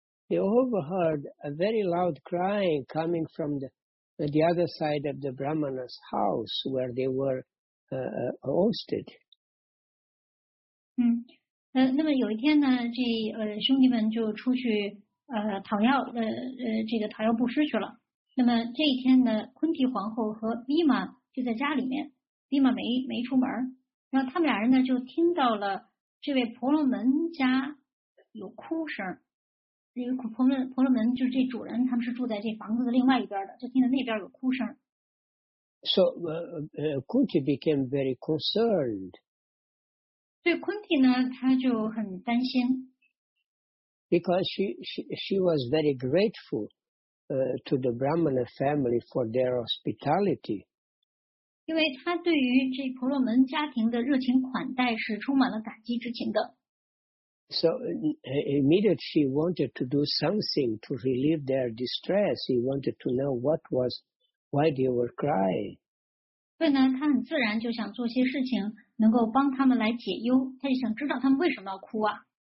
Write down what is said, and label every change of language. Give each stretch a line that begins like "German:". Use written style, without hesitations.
English: They overheard a very loud crying coming from the other side of the Brahmana's house where they were hosted.
Chinese: 那么有一天呢，这兄弟们就出去讨要这个讨要布施去了。那么这一天呢，昆提皇后和 Bhima 就在家里面， Bhima 没出门，然后他们俩人呢就听到了这位婆罗门家有哭声，这个婆罗门就是这主人，他们是住在这房子的另外一边的，就听到那边有哭声。
English: So Kunti became very concerned.
Chinese: 对昆提呢，他就很担心。
English: Because she was very grateful. To the Brahmana family for their hospitality.
Chinese: 因为他对于这婆罗门家庭的热情款待是充满了感激之情的。
English: So immediately she wanted to do something to relieve their distress. He wanted to know why they were crying.
Chinese: 所以呢，他很自然就想做些事情，能够帮他们来解忧。他就想知道他们为什么要哭啊。